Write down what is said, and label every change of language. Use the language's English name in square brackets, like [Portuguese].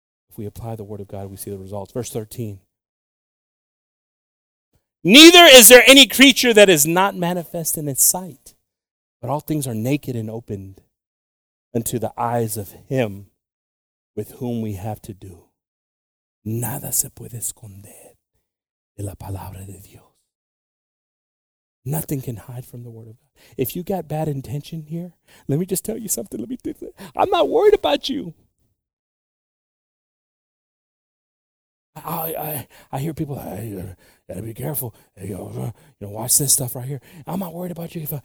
[English] If we apply the word of God, we see the results. Verse 13. Neither is there any creature that is not manifest in its sight, but all things are naked and opened unto the eyes of him with whom we have to do. [Spanish] Nada se puede esconder de la palabra de Dios. [English] Nothing can hide from the word of God. If you got bad intention here, let me just tell you something. I'm not worried about you. I hear people, hey, you gotta be careful. Hey, you know, watch this stuff right here. I'm not worried about you.